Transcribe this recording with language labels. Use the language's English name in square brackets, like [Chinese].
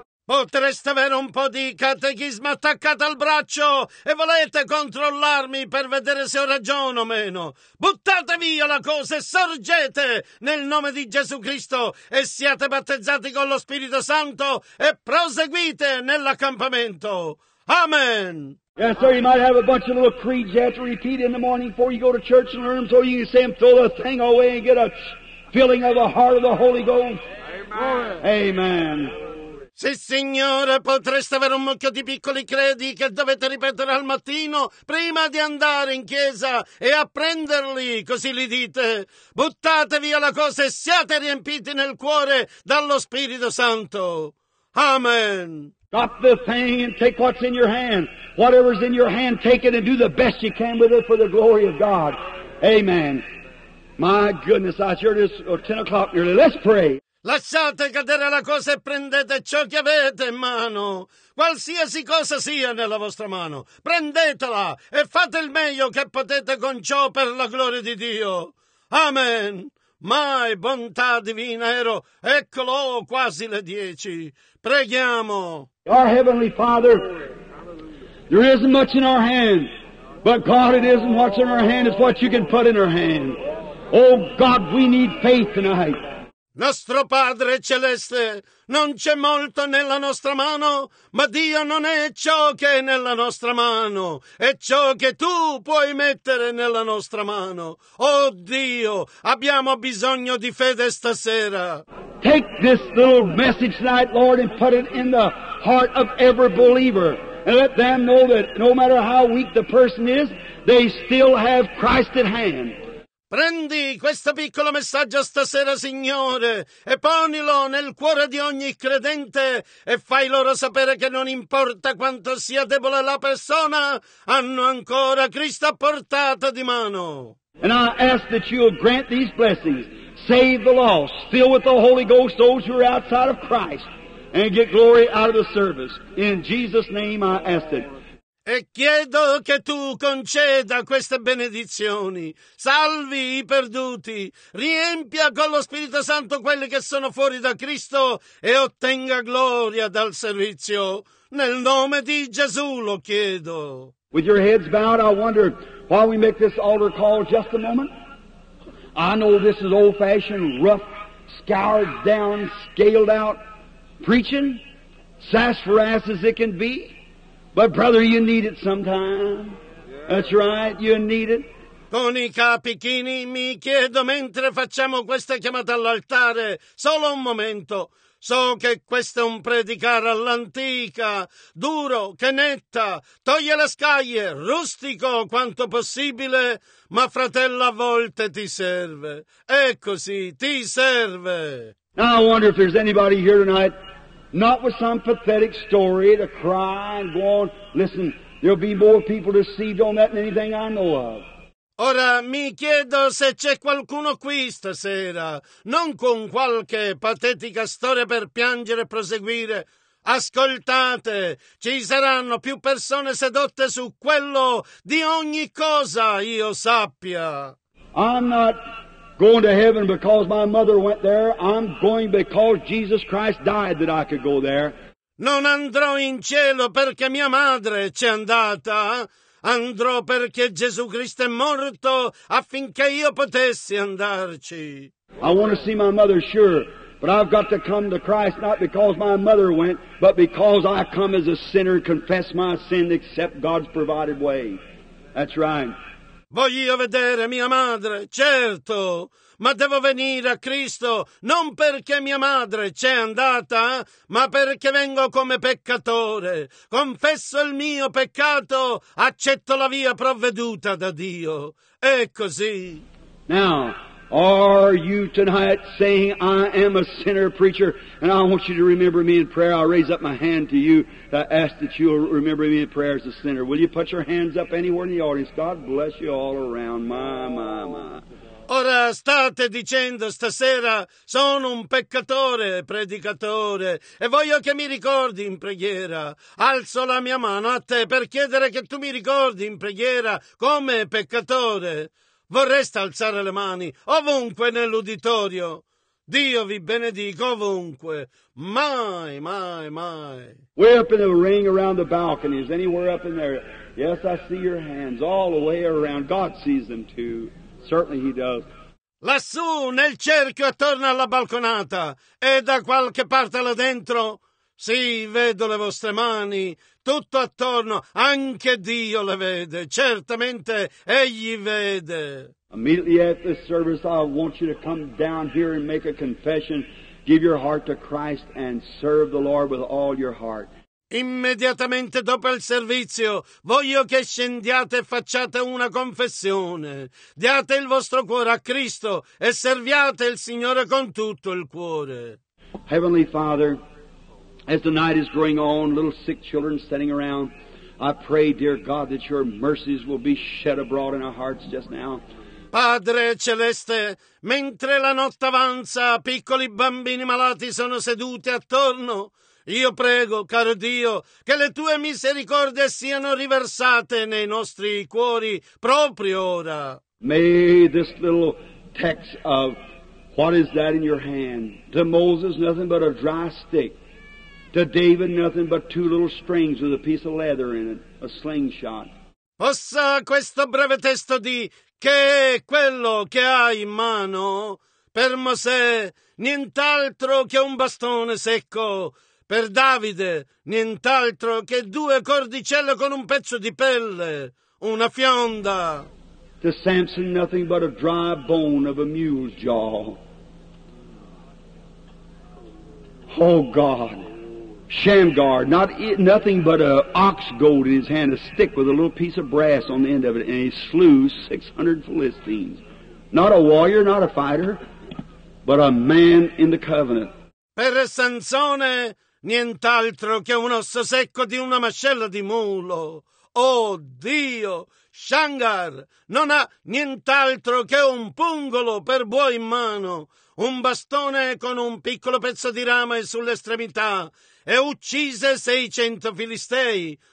[Italian] Potreste avere un po' di catechismo attaccato al braccio e volete controllarmi per vedere se ho ragione o meno. Buttate via la cosa e sorgete nel nome di Gesù Cristo e siate battezzati con lo Spirito Santo e proseguite nell'accampamento. Amen. [English] Yes, sir, you might have a bunch of little creeds you have to repeat in the morning before you go to church and learn them, so you can say them, throw the thing away and get a filling of the heart of the Holy Ghost. Amen. Amen. [Italian] Sì, signore, potreste avere un mucchio di piccoli credi che dovete ripetere al mattino prima di andare in chiesa e apprenderli, così li dite. Buttate via la cosa e siate riempiti nel cuore dallo Spirito Santo. Amen. [English] Drop the thing and take what's in your hand. Whatever's in your hand, take it and do the best you can with it for the glory of God. Amen. My goodness, I sure it's 10 o'clock nearly. Let's pray. [Italian] Lasciate cadere la cosa e prendete ciò che avete in mano. Qualsiasi cosa sia nella vostra mano, prendetela e fate il meglio che potete con ciò per la gloria di Dio. Amen. Mai bontà divina ero. Eccolo, quasi le 10. Preghiamo. [English] Our Heavenly Father, there isn't much in our hand, but God, it isn't what's in our hand, it's what you can put in our hand. Oh God, we need faith tonight. [Italian] Nostro Padre Celeste, non c'è molto nella nostra mano, ma Dio non è ciò che è nella nostra mano, è ciò che Tu puoi mettere nella nostra mano. Oh Dio, abbiamo bisogno di fede stasera. [English] Take this little message tonight, Lord, and put it in the heart of every believer. And let them know that no matter how weak the person is, they still have Christ at hand. [Italian] Prendi questo piccolo messaggio stasera, Signore, e ponilo nel cuore di ogni credente e fai loro sapere che non importa quanto sia debole la persona, hanno ancora Cristo a portata di mano. [English] And I ask that you will grant these blessings, save the lost, fill with the Holy Ghost those who are outside of Christ, and get glory out of the service. In Jesus' name I ask it. [Italian] E chiedo che tu conceda queste benedizioni, salvi i perduti, riempia con lo Spirito Santo quelli che sono fuori da Cristo e ottenga gloria dal servizio. Nel nome di Gesù lo chiedo. [English] With your heads bowed, I wonder why we make this altar call just a moment. I know this is old-fashioned, rough, scoured down, scaled out preaching, sassafras as it can be. But brother, you need it sometime. That's right, you need it. [Italian] Con i capi chini mi chiedo mentre facciamo questa chiamata all'altare, solo un momento. So che questo è un predicare all'antica, duro, che netta, toglie le scaglie, rustico quanto possibile, ma fratello a volte ti serve. È così, ti serve. [English] Now I wonder if there's anybody here tonight. Not with some pathetic story to cry and go on. Listen, there'll be more people deceived on that than anything I know of. [Italian] Ora mi chiedo se c'è qualcuno qui stasera, non con qualche patetica storia per piangere e proseguire. Ascoltate, ci saranno più persone sedotte su quello di ogni cosa io sappia. [English] I'm not going to heaven because my mother went there. I'm going because Jesus Christ died that I could go there. [Italian] Non andrò in cielo perché mia madre c'è andata. Andrò perché Gesù Cristo è morto affinché io potessi andarci. [English] I want to see my mother, sure. But I've got to come to Christ not because my mother went, but because I come as a sinner and confess my sin to accept God's provided way. That's right. [Italian] Voglio vedere mia madre, certo, ma devo venire a Cristo non perché mia madre c'è andata, ma perché vengo come peccatore. Confesso il mio peccato, accetto la via provveduta da Dio. È così. [English] Now, are you tonight saying I am a sinner, preacher, and I want you to remember me in prayer? I raise up my hand to you to ask that you'll remember me in prayer as a sinner. Will you put your hands up anywhere in the audience? God bless you all around. My. [Italian] Ora state dicendo stasera, sono un peccatore, predicatore, e voglio che mi ricordi in preghiera. Alzo la mia mano a te per chiedere che tu mi ricordi in preghiera come peccatore. Vorreste alzare le mani ovunque nell'uditorio. Dio vi benedica ovunque. Mai. [English] Way up in the ring around the balconies, anywhere up in there. Yes, I see your hands all the way around. God sees them too. Certainly he does. [Italian] Lassù, nel cerchio attorno alla balconata, e da qualche parte là dentro, sì, vedo le vostre mani, tutto attorno, anche Dio le vede, certamente Egli vede. [English] Immediately at this service, I want you to come down here and make a confession, give your heart to Christ and serve the Lord with all your heart. [Italian] Immediatamente dopo il servizio voglio che scendiate e facciate una confessione. Diate il vostro cuore a Cristo e serviate il Signore con tutto il cuore. [English] Heavenly Father, as the night is growing on, little sick children standing around, I pray, dear God, that your mercies will be shed abroad in our hearts just now. [Italian] Padre Celeste, mentre la notte avanza, piccoli bambini malati sono seduti attorno. Io prego, caro Dio, che le Tue misericordie siano riversate nei nostri cuori proprio ora. [English] May this little text of what is that in your hand? To Moses, nothing but a dry stick. To David, nothing but two little strings with a piece of leather in it, a slingshot. [Italian] Possa questo breve testo di che è quello che hai in mano per Mosè, nient'altro che un bastone secco. Per Davide, nient'altro che due cordicelle con un pezzo di pelle, una fionda. [English] To Samson, nothing but a dry bone of a mule's jaw. Oh God, Shamgar, nothing but a ox goad in his hand, a stick with a little piece of brass on the end of it, and he slew 600 Philistines. Not a warrior, not a fighter, but a man in the covenant. [Italian] Per Sansone, nient'altro che un osso secco di una mascella di mulo. Oh Dio, Shamgar non ha nient'altro che un pungolo per buoi in mano, un bastone con un piccolo pezzo di rame sull'estremità, e uccise 600 filistei.